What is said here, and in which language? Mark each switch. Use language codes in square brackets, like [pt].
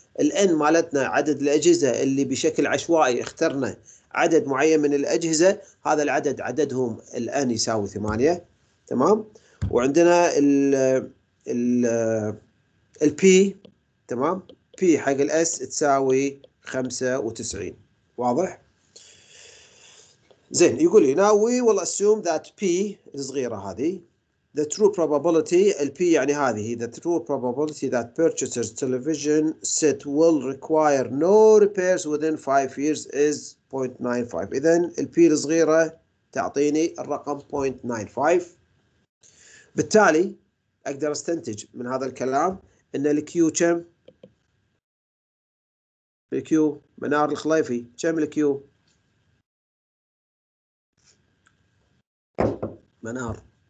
[ar] الان مالتنا عدد الأجهزة اللي بشكل عشوائي اخترنا عدد معين من الأجهزة، هذا العدد عددهم الان يساوي 8. تمام، وعندنا ال P، تمام، P حق الأس تساوي 95. واضح؟ زين، يقول لي [en] now we will assume that P [ar] صغيرة هذه [en] the true probability الP يعني هذه the true probability that purchaser's television set will require no repairs within 5 years is 0.95. [ar] إذن الP الصغيرة تعطيني الرقم 0.95. بالتالي أقدر أستنتج من هذا الكلام إن الQ كم؟ الQ منار الخليفي كم الQ؟ منار